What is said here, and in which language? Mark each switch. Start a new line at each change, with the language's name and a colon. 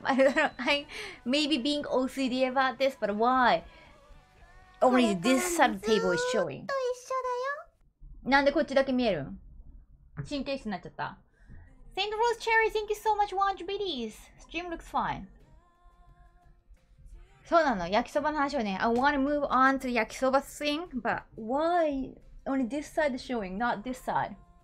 English: I maybe being OCD about this, but why? Only this side of the table is showing.
Japanese: と一緒だよ。なんでこっちだけ見える。神経質になっちゃった。
English: Saint Rose Cherry, thank you so much, 100 bitties. Stream looks fine.
Japanese: そうなの、焼きそばの話はね。
English: I wanna move on to 焼きそば thing, but why only this side is showing, not this side?